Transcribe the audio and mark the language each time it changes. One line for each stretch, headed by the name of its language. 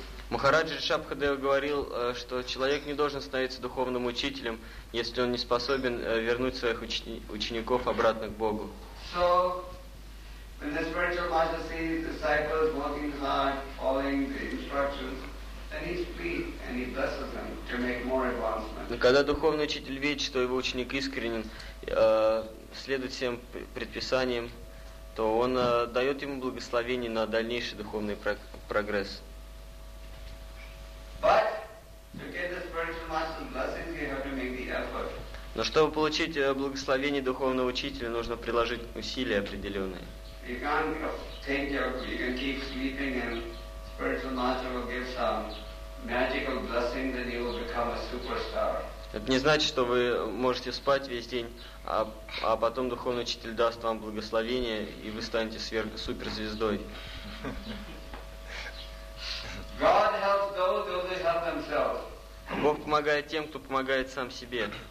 Russian: Махараджа Ришабхадева говорил, что человек не должен становиться духовным учителем, если он не способен вернуть своих учеников обратно к Богу.
English: So, when the spiritual master sees his disciples working hard, following the instructions, then he's pleased and he blesses them to make more advancement.
Russian: Когда духовный учитель видит, что его ученик искренен, следует всем предписаниям, то он дает ему благословение на дальнейший духовный прогресс.
English: But to get the spiritual master's blessings, you have to make the effort.
Russian: Но чтобы получить благословение духовного учителя, нужно приложить усилия определенные.
English: You can think of, you can keep sleeping and spiritual master will give some magical blessing that you will become a superstar.
Russian: Это не значит, что вы можете спать весь день, а потом духовный учитель даст вам благословение, и вы станете суперзвездой.
English: God helps those who help themselves.
Russian: Бог помогает тем, кто помогает сам себе.